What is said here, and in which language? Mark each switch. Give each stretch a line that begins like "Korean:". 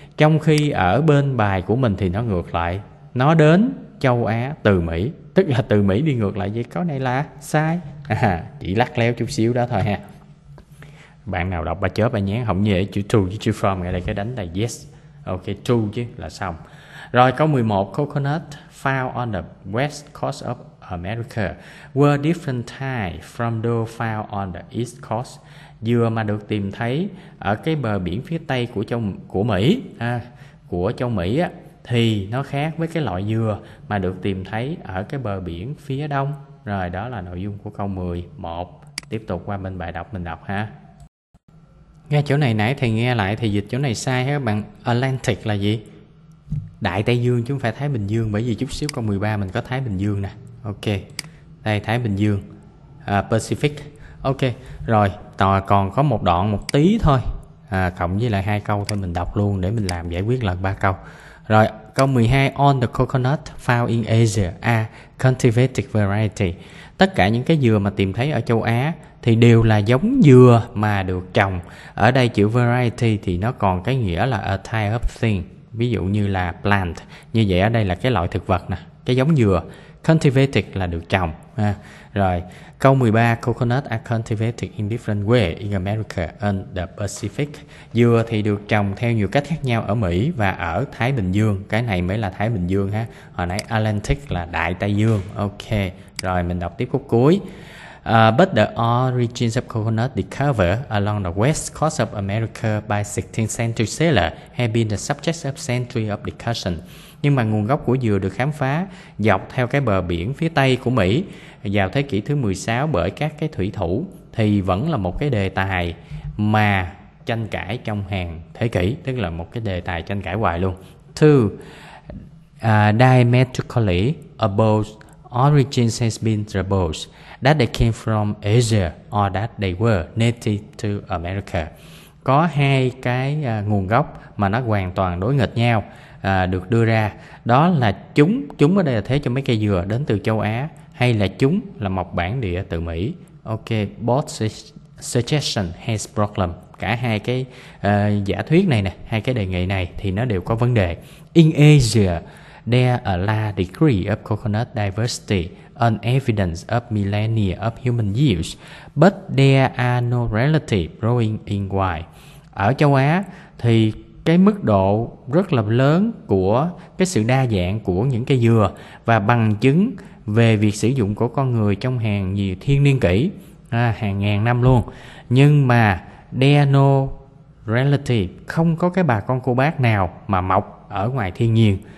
Vietnamese: Trong khi ở bên bài của mình thì nó ngược lại, nó đến châu Á từ Mỹ, tức là từ Mỹ đi ngược lại. Vậy câu này là sai. À, chỉ lắc léo chút xíu đó thôi ha. Bạn nào đọc ba chớp ba nhén không nhớ chữ to với chữ from, nghe đây cái đánh là yes. Ok, to chứ là xong. Rồi câu 11,
English: coconut found on the west coast of America were different type from those found on the east coast.
Vietnamese: Dừa mà được tìm thấy ở cái bờ biển phía tây của Mỹ à, của châu Mỹ á, thì nó khác với cái loại dừa mà được tìm thấy ở cái bờ biển phía đông. Rồi đó là nội dung của câu 11. Tiếp tục qua bên bài đọc mình đọc ha. Nghe chỗ này nãy thì nghe lại thì dịch chỗ này sai ha các bạn. Atlantic là gì? Đại Tây Dương chứ không phải Thái Bình Dương, bởi vì chút xíu câu 13 mình có Thái Bình Dương nè. Ok. Đây Thái Bình Dương. À, Pacific. Ok. Rồi, tòa còn có một đoạn một tí thôi. À, cộng với lại hai câu thôi mình đọc luôn để mình làm giải quyết lần ba câu. Rồi, câu 12,
English: on the coconut found in Asia, a cultivated variety.
Vietnamese: Tất cả những cái dừa mà tìm thấy ở châu Á thì đều là giống dừa mà được trồng. Ở đây chữ variety thì nó còn cái nghĩa là
English: a type of thing,
Vietnamese: ví dụ như là plant. Như vậy ở đây là cái loại thực vật nè, cái giống dừa. Cultivated là được trồng. À, rồi, câu 13,
English: coconut are cultivated in different way in America and the Pacific.
Vietnamese: Dừa thì được trồng theo nhiều cách khác nhau ở Mỹ và ở Thái Bình Dương. Cái này mới là Thái Bình Dương ha. Hồi nãy Atlantic là Đại Tây Dương. Ok, rồi mình đọc tiếp khúc cuối.
English: But the origins of coconut discovered along the west coast of America by 16th century sailor have been the subject of century of discussion.
Vietnamese: Nhưng mà nguồn gốc của dừa được khám phá dọc theo cái bờ biển phía tây của Mỹ vào thế kỷ thứ 16 bởi các cái thủy thủ thì vẫn là một cái đề tài mà tranh cãi trong hàng thế kỷ, tức là một cái đề tài tranh cãi hoài luôn.
English: Two, diametrically opposed origins has been proposed that they came from Asia or that they were native to America.
Vietnamese: Có hai cái nguồn gốc mà nó hoàn toàn đối nghịch nhau được đưa ra, đó là chúng chúng ở đây là thế cho mấy cây dừa đến từ châu Á hay là chúng là mộc bản địa từ Mỹ.
English: Ok, both suggestion has problem.
Vietnamese: Cả hai cái giả thuyết này nè, hai cái đề nghị này thì nó đều có vấn đề.
English: In Asia, there are large degree of coconut diversity, an evidence of millennia of human use, but there are no relative growing in wild.
Vietnamese: Ở châu Á thì cái mức độ rất là lớn của cái sự đa dạng của những cây dừa và bằng chứng về việc sử dụng của con người trong hàng nhiều thiên niên kỷ, hàng ngàn năm luôn. Nhưng mà
English: there no relative,
Vietnamese: không có cái bà con cô bác nào mà mọc ở ngoài thiên nhiên.